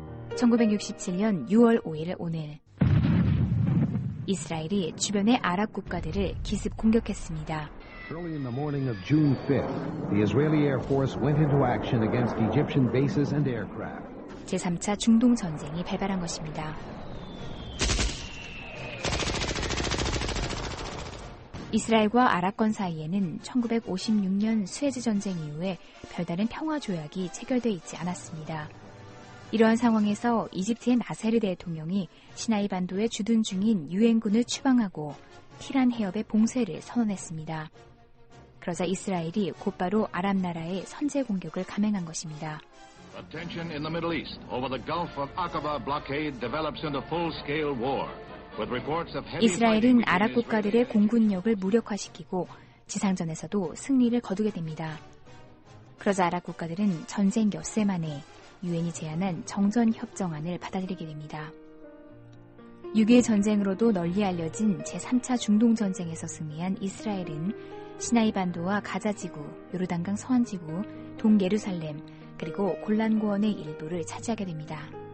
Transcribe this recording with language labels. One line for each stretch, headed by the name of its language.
Korean: 1967년 6월 5일 오늘, 이스라엘이 주변의 아랍 국가들을 기습 공격했습니다.
English: Early in the morning of June 5th, the Israeli Air Force went into action against Egyptian bases and aircraft.
Korean: 제3차 중동 전쟁이 발발한 것입니다. 이스라엘과 아랍권 사이에는 1956년 스웨즈 전쟁 이후에 별다른 평화 조약이 체결되어 있지 않았습니다. 이러한 상황에서 이집트의 나세르 대통령이 시나이 반도에 주둔 중인 유엔군을 추방하고 티란 해협의 봉쇄를 선언했습니다. 그러자 이스라엘이 곧바로 아랍 나라에 선제 공격을 감행한 것입니다.
English: Attention in the Middle East over the Gulf of Aqaba blockade develops into full-scale war. With reports of heavy.
Korean: 이스라엘은 아랍 국가들의 공군력을 무력화시키고 지상전에서도 승리를 거두게 됩니다. 그러자 아랍 국가들은 전쟁 엿새 만에 유엔이 제안한 정전협정안을 받아들이게 됩니다. 6.1 전쟁으로도 널리 알려진 제3차 중동전쟁에서 승리한 이스라엘은 시나이반도와 가자지구, 요르단강 서안지구, 동예루살렘, 그리고 골란고원의 일부를 차지하게 됩니다.